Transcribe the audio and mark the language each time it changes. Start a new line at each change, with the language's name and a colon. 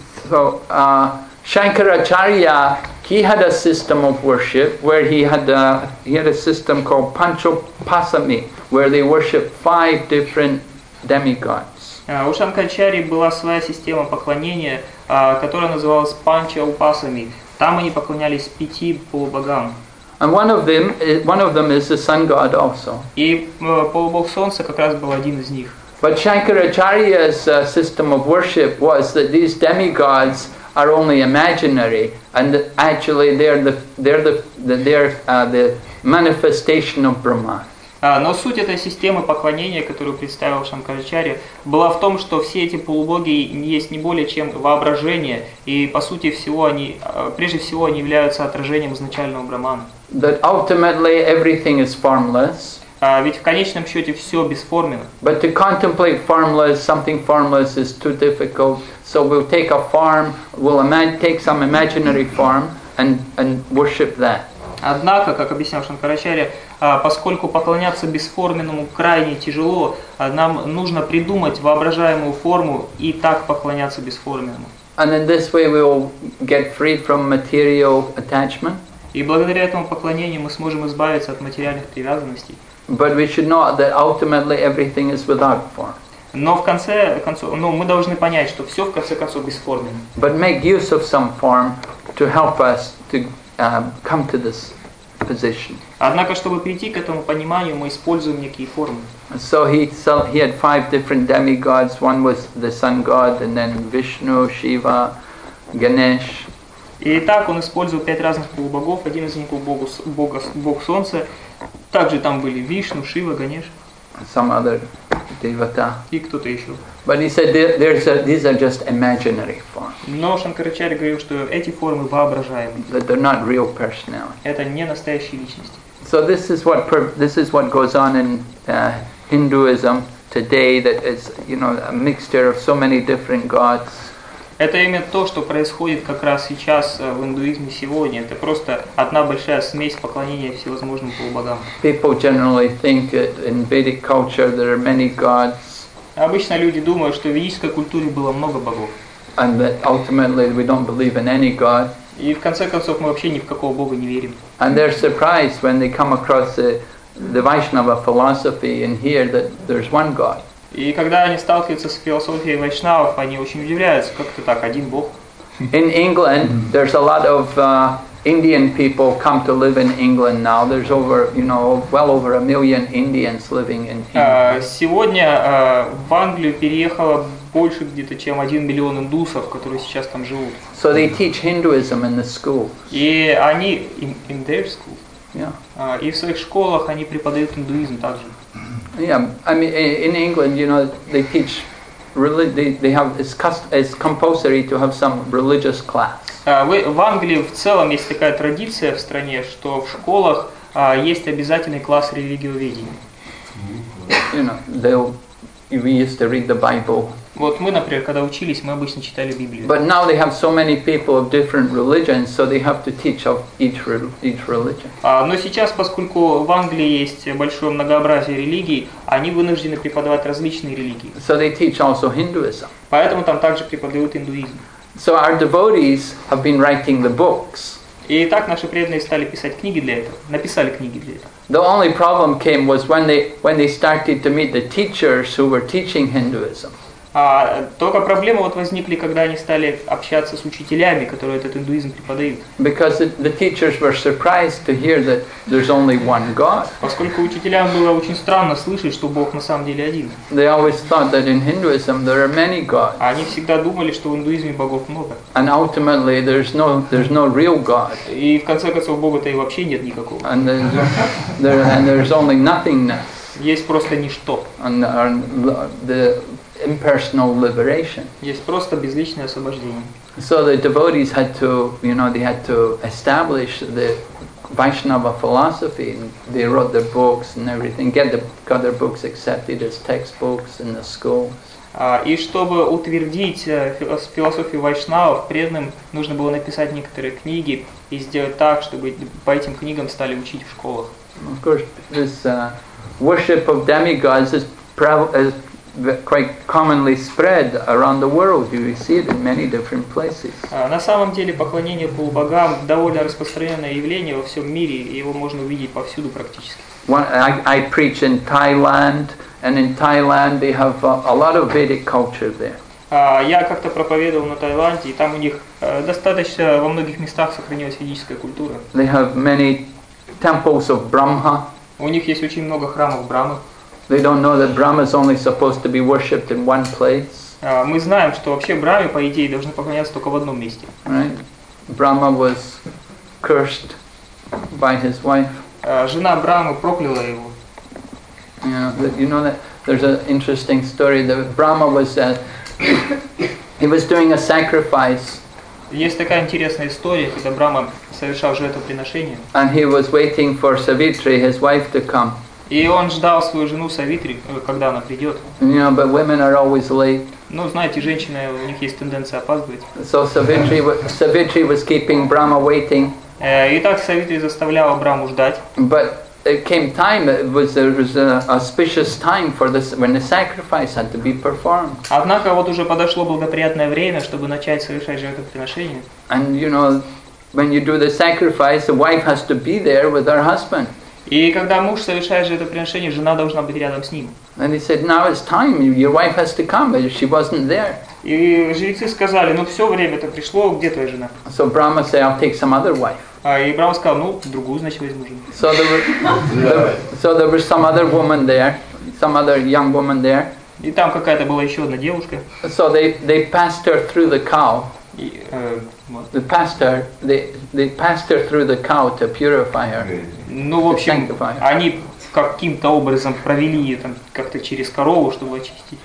English: So, Shankaracharya, he had a system of worship where he had a system called Panchopasami, where they worship five different demigods.
Russian: У Шанкарачарьи была своя система поклонения, которая называлась Панчаупасами. Там они поклонялись пяти полубогам.
English: And one of them is the sun god also.
Russian: И полубог солнца как раз был один из них.
English: But Shankaracharya's system of worship was that these demigods are only imaginary, and actually they're the manifestation of Brahman.
Russian: Но суть этой системы поклонения, которую представил Шанкарачарья, была в том, что все эти полубоги есть не более чем воображение, и по сути всего они, прежде всего они являются отражением изначального Брахмана.
English: That ultimately everything is formless.
Russian: Ведь в конечном счете все бесформенно.
English: But to contemplate formless, something formless is too difficult. So we'll take a form, we'll take some imaginary form and worship that.
Russian: Однако, как объяснял Шанкарачарья, поскольку поклоняться бесформенному крайне тяжело, нам нужно придумать воображаемую форму и так поклоняться бесформенному.
English: And in this way we will get free from material attachment.
Russian: И благодаря этому поклонению мы сможем избавиться от материальных привязанностей.
English: But we should know that ultimately everything is without form.
Russian: Но в конце концов, ну, мы должны понять, что все в конце концов бесформенно.
English: But make use of some form to help us to come to this position.
Russian: Однако, чтобы прийти к этому пониманию, мы используем некие формы.
English: So he had five different demigods. One was the sun god, and then Vishnu, Shiva, Ganesh.
Russian: И так он использовал пять разных полубогов. Один из них был бог солнца. Также там были Вишну, Шива, Ганеш.
English: Some other devata.
Russian: И кто-то еще.
English: But he said these are just imaginary forms.
Russian: Но Шанкарачарья говорил, что эти формы воображаемые.
English: That they're not real personality.
Russian: Это не настоящие личности.
English: So this is what goes on in Hinduism today, that it's, you know, a mixture of so many different gods.
Russian: Это именно то, что происходит как раз сейчас в индуизме сегодня. Это просто одна большая смесь поклонения всевозможным полубогам.
English: People generally think that in Vedic culture there are many gods.
Russian: Обычно люди думают, что в ведической культуре было много богов.
English: And that ultimately we don't believe in any god.
Russian: И в конце концов мы вообще ни в какого бога не верим.
English: And they're surprised when they come across the Vaishnava philosophy and hear that there's one god.
Russian: И когда они сталкиваются с философией вайшнавов, они очень удивляются, как это так, один бог.
English: In England, there's a lot of Indian people come to live in England now. There's over, you know, well over a million Indians living in England.
Russian: Сегодня в Англию переехало больше где-то чем 1 миллион индусов, которые сейчас там живут.
English: So they teach Hinduism in the schools.
Russian: И они
English: in their schools. Yeah.
Russian: И в своих школах они преподают индуизм также.
English: Yeah, I mean, in England, you know, they teach they have it's compulsory to have some religious class.
Russian: В Англии в целом есть такая традиция в стране, что в школах есть обязательный класс религиоведения.
English: You know, we used to read the Bible.
Russian: Вот мы, например, когда учились, мы обычно читали Библию.
English: But now they have so many people of different religions, so they have to teach of each religion.
Russian: Но сейчас, поскольку в Англии есть большое многообразие религий, они вынуждены преподавать различные религии.
English: So they teach also Hinduism.
Russian: Поэтому там также преподают индуизм.
English: So our devotees have been writing the books.
Russian: И так наши преданные стали писать книги для этого. Написали книги для этого.
English: The only problem came was when they started to meet the teachers who were teaching Hinduism.
Russian: Только проблемы вот возникли, когда они стали общаться с учителями, которые этот индуизм преподают.
English: Because the teachers were surprised to hear that there's only one God.
Russian: Поскольку учителям было очень странно слышать, что Бог на самом деле один.
English: They always thought that in Hinduism there are many gods.
Russian: Они всегда думали, что в индуизме богов много.
English: And ultimately there's no real God.
Russian: И в конце концов Бога-то и вообще нет никакого.
English: And there's only nothingness.
Russian: Есть просто ничто.
English: And the impersonal liberation.
Russian: Есть просто безличное освобождение.
English: So the devotees had to, you know, they had to establish the Vaishnava philosophy. They wrote their books and everything, got their books accepted as textbooks in the schools.
Russian: И чтобы утвердить философию вайшнавов, преданным нужно было написать некоторые книги и сделать так, чтобы по этим книгам стали учить в школах.
English: Of course, this worship of demigods is quite commonly spread around the world. You see it in many different places.
Russian: На самом деле поклонение полубогам довольно распространенное явление во всем мире, и его можно увидеть повсюду практически.
English: I preach in Thailand, and in Thailand they have a lot of Vedic culture there.
Russian: Я как-то проповедовал на Таиланде, и там у них достаточно во многих местах сохранилась ведическая культура.
English: They have many temples of Brahma.
Russian: У них есть очень много храмов Брамы.
English: They don't know that Brahma is only supposed to be worshipped in one place.
Russian: Мы знаем, что вообще Брахме по идее должны поклоняться только в одном месте.
English: Right? Brahma was cursed by his wife.
Russian: Жена Брахмы прокляла его.
English: You know that there's an interesting story that Brahma was he was doing a sacrifice.
Russian: Есть такая интересная история, когда Брахма совершал жертвоприношение.
English: And he was waiting for Savitri, his wife, to come.
Russian: И он ждал свою жену Савитри, когда она придет.
English: Yeah, but women are always late.
Russian: Ну, знаете, женщины, у них есть тенденция опаздывать.
English: So Savitri was keeping Brahma waiting.
Russian: И так Савитри заставляла Брахму ждать.
English: But it came time, it was an auspicious time for this, when the sacrifice had to be performed.
Russian: Однако вот уже подошло благоприятное время, чтобы начать совершать жертвоприношение.
English: And you know, when you do the sacrifice, the wife has to be there with her husband.
Russian: И когда муж совершает жертвоприношение, жена должна быть рядом с ним.
English: And he said, now it's time, your wife has to come, but she wasn't there.
Russian: И жрецы сказали, ну все время-то пришло, где твоя жена?
English: So Brahma said, I'll take some other wife.
Russian: И Брахма сказал, ну, другую, значит, возьму жену.
English: So there was some other woman there, some other young woman there.
Russian: И там какая-то была еще одна девушка.
English: So they passed her through the cow. They passed her through the cow to purify her.
Russian: Ну, в общем, они каким-то образом провели ее там как-то через корову, чтобы очистить.